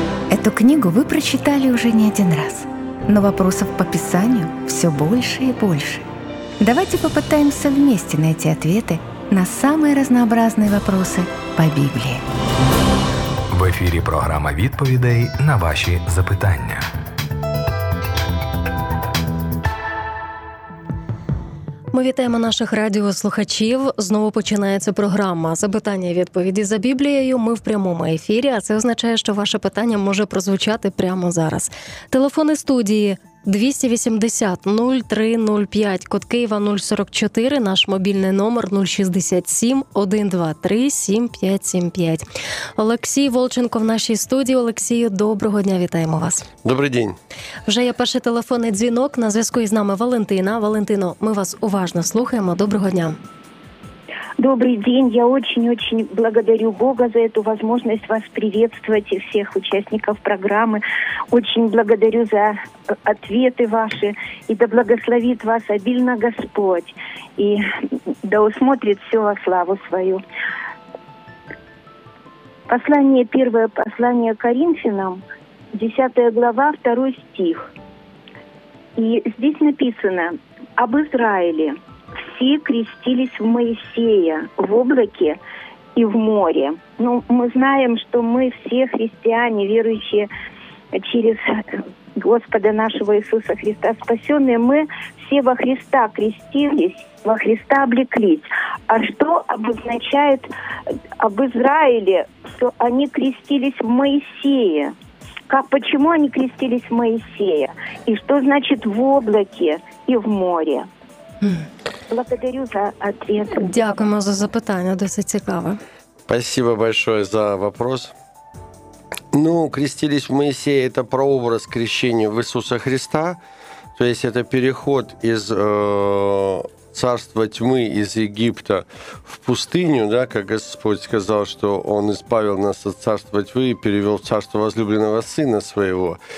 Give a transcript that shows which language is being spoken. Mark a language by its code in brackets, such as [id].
[ru] Эту книгу вы прочитали уже не один раз, но вопросов по Писанию все больше и больше. Давайте попытаемся вместе найти ответы на самые разнообразные вопросы по Библии. В эфире программа «Відповідей» на ваши запитання. [uk] Ми вітаємо наших радіослухачів. Знову починається програма «Запитання і відповіді за Біблією». Ми в прямому ефірі, а це означає, що ваше питання може прозвучати прямо зараз. Телефони студії 280-0305, код Києва 044, наш мобільний номер 067-123-7575. Олексій Волченко в нашій студії. Олексію, доброго дня, вітаємо вас. Добрий день. Вже є перший телефонний дзвінок, на зв'язку із нами Валентина. Валентино, ми вас уважно слухаємо, доброго дня. [ru] Добрый день. Я очень-очень благодарю Бога за эту возможность вас приветствовать и всех участников программы. Очень благодарю за ответы ваши. И да благословит вас обильно Господь. И да усмотрит все во славу свою. Послание, первое послание Коринфянам, 10 глава, 2 стих. И здесь написано об Израиле. Все крестились в Моисея, в облаке и в море. Ну, мы знаем, что мы все христиане, верующие через Господа нашего Иисуса Христа, спасенные, мы все во Христа крестились, во Христа облеклись. А что обозначает об Израиле, что они крестились в Моисея? Как, почему они крестились в Моисея? И что значит в облаке и в море? Благодарю за ответ. [uk] Дякуємо за запитання, досить цікаве. [ru] Спасибо большое за вопрос. Ну, крестились в Моисея, это прообраз крещения в Иисуса Христа. То есть это переход из царства тьмы, из Египта в пустыню, да, как Господь сказал, что Он избавил нас от царства тьмы и перевел в царство возлюбленного Сына Своего.